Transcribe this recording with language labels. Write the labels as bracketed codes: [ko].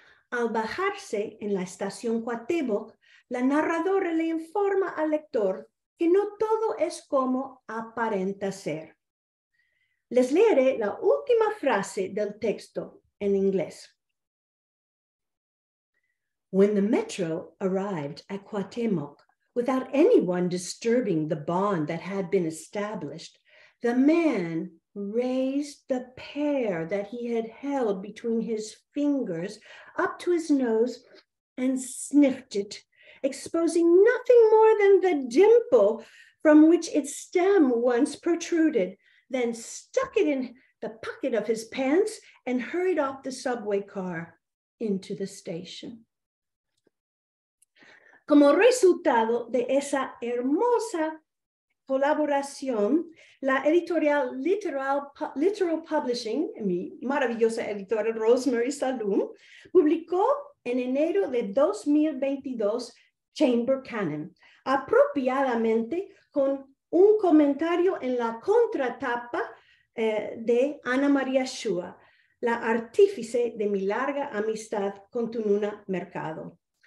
[es] Al bajarse en la estación Cuauhtémoc, la narradora le informa al lector que no todo es como aparenta ser. Les leeré la última frase del texto en inglés. [en] When the metro arrived at Cuauhtémoc, without anyone disturbing the bond that had been established, the man raised the pear that he had held between his fingers up to his nose and sniffed it, exposing nothing more than the dimple from which its stem once protruded, then stuck it in the pocket of his pants and hurried off the subway car into the station. [es] Como resultado de esa hermosa colaboración, la editorial Literal Publishing, mi maravillosa editora Rosemary Salum, publicó en enero de 2022 Chamber Canon, apropiadamente con un comentario en la contratapa de Ana María Shua, la artífice de mi larga amistad con Tununa Mercado.